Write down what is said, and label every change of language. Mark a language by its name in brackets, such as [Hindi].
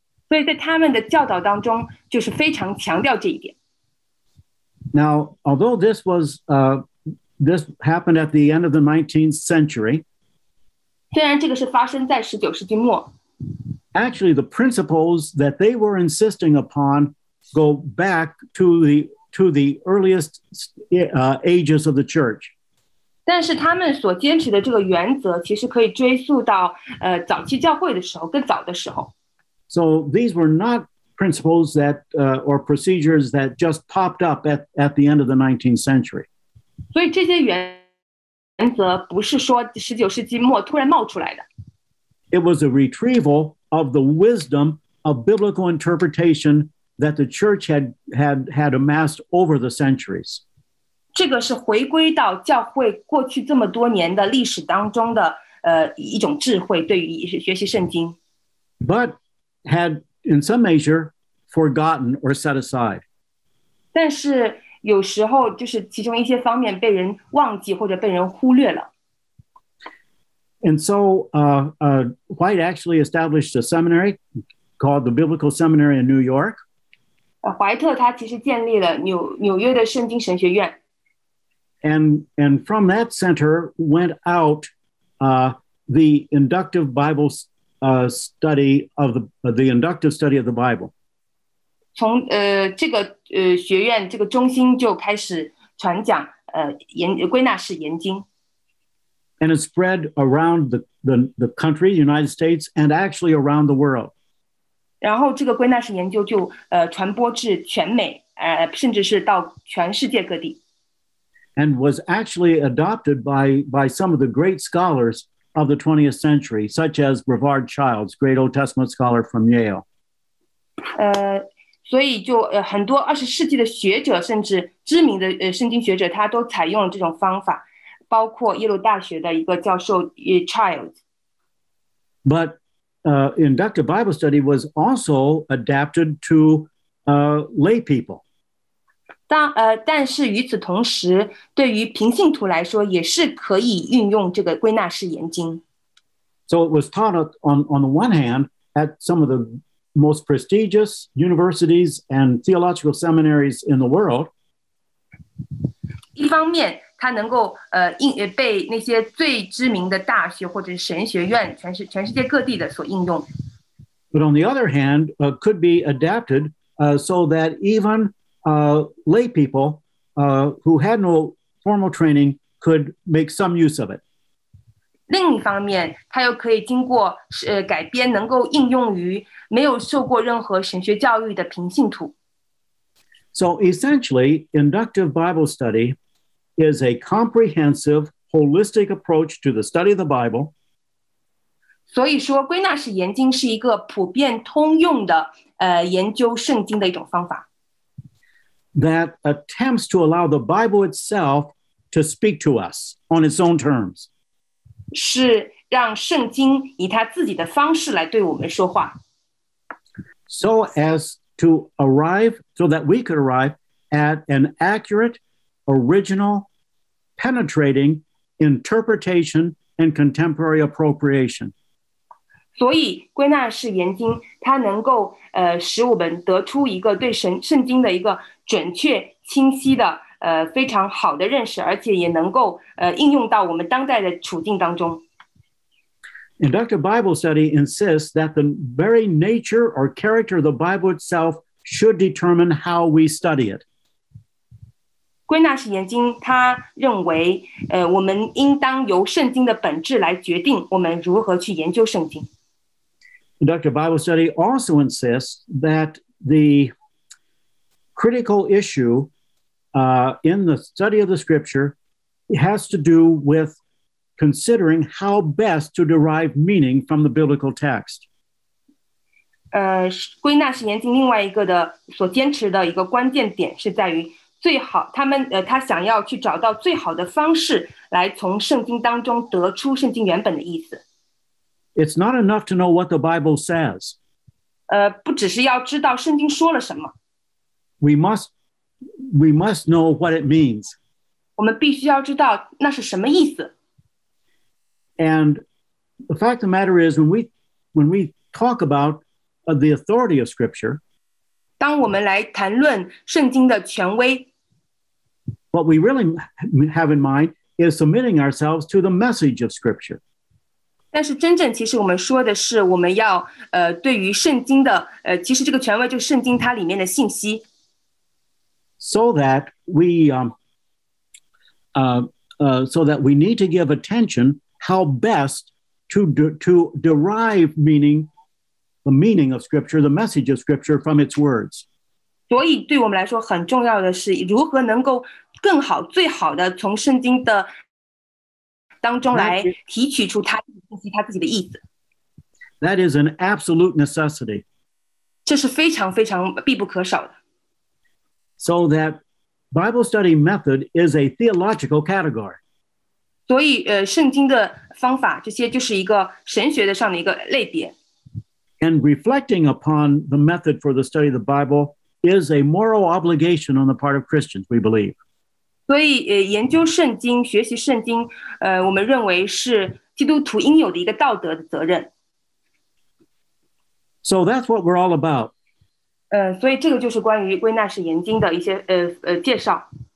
[Chinese] 所以在他们的教导当中，就是非常强调这一点。 [English] Now, although this was this happened at the end of the 19th century. [Chinese] 虽然这个是发生在19世纪末。 [English] Actually, the principles that they were insisting upon go back to the earliest ages of the church. [Chinese] 但是他们所坚持的这个原则其实可以追溯到早期教会的时候，更早的时候。 [English] So these were not principles that or procedures that just popped up at the end of the 19th century. [Chinese] 所以这些原则不是说十九世纪末突然冒出来的。 [English] It was a retrieval of the wisdom of biblical interpretation that the church had amassed over the centuries. [Chinese] 这个是回归到教会过去这么多年的历史当中的一种智慧，对于学习圣经。 [English] But had in some measure forgotten or set aside. [Chinese] 但是有时候就是其中一些方面被人忘记或者被人忽略了。 [English] And so White actually established a seminary called the Biblical Seminary in New York. [Chinese] 怀特他其实建立了纽约的圣经神学院。 [English] And from that center went out the inductive Bible study of the inductive study of the Bible. [Chinese] 从这个学院这个中心就开始传讲归纳式研经。 [English] And it spread around the, the country, United States, and actually around the world. [Chinese] 然后这个归纳式研究就传播至全美，甚至是到全世界各地。 [English] And was actually adopted by some of the great scholars of the 20th century, such as Brevard Childs, great Old Testament scholar from Yale. [Chinese] 所以就很多二十世纪的学者，甚至知名的圣经学者，他都采用了这种方法，包括耶鲁大学的一个教授Child. [English] But inductive Bible study was also adapted to lay people. [Chinese] 但是与此同时，对于平信徒来说，也是可以运用这个归纳式研经。 [English] So it was taught on the one hand at some of the most prestigious universities and theological seminaries in the world. [Chinese] 一方面，它能够被那些最知名的大学或者神学院全世界各地的所应用。 [English] But on the other hand, could be adapted so that even lay people who had no formal training could make some use of it. [Chinese] 另一方面，它又可以经过改编，能够应用于没有受过任何神学教育的平信徒。 [English] So essentially, inductive Bible study is a comprehensive, holistic approach to the study of the Bible. [Chinese] 所以说，归纳式研经是一个普遍通用的研究圣经的一种方法。 [English] That attempts to allow the Bible itself to speak to us on its own terms. [Chinese] 是让圣经以它自己的方式来对我们说话。 [English] So as to arrive, so that we could arrive at an accurate, original, penetrating interpretation and contemporary appropriation. [Chinese] 所以归纳式研经它能够使我们得出一个对圣经的一个准确清晰的非常好的认识，而且也能够应用到我们当代的处境当中。 [English] Inductive Bible study insists that the very nature or character of the Bible itself should determine how we study it. [Chinese] 归纳式研经他认为我们应当由圣经的本质来决定我们如何去研究圣经。 [English] Inductive Bible study also insists that the critical issue in the study of the scripture has to do with considering how best to derive meaning from the biblical text. [Chinese] 归纳式研经另外一个的所坚持的一个关键点是在于最好他们他想要去找到最好的方式来从圣经当中得出圣经原本的意思。 [English] It's not enough to know what the Bible says. [Chinese] 不只是要知道圣经说了什么。 [English] We must know what it means. [Chinese] 我们必须要知道那是什么意思。 [English] And the fact of the matter is, when we talk about the authority of Scripture, [Chinese] 当我们来谈论圣经的权威, [English] what we really have in mind is submitting ourselves to the message of Scripture. [Chinese] 但是真正其实我们说的是我们要对于圣经的其实这个权威就是圣经它里面的信息。 [English] So that we need to give attention how best to derive meaning, the meaning of Scripture, the message of Scripture from its words. [Chinese] 所以对我们来说很重要的是如何能够更好最好的从圣经的当中来提取出他信息他自己的意思。 [English] That is an absolute necessity. [Chinese] 这是非常非常必不可少的。 [English] So that Bible study method is a theological category. [Chinese] 所以圣经的方法这些就是一个神学的上的一个类别。 [English] And reflecting upon the method for the study of the Bible is a moral obligation on the part of Christians, we believe. [Chinese] 所以研究圣经学习圣经我们认为是基督徒应有的一个道德的责任。 [English] So that's what we're all about. [Chinese] 所以这个就是关于归纳式研经的一些介绍。